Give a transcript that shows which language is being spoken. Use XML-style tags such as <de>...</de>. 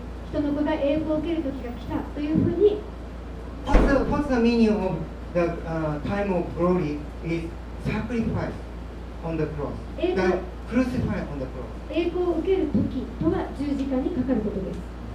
<ja>人の子が栄光を受ける時が来たというふうに。</ja> <en>What's the meaning of the、time of glory isSacrifice on the cross. The crucify on the cross.</en> <ja>栄光を受ける時とは十字架にかかることです。</ja>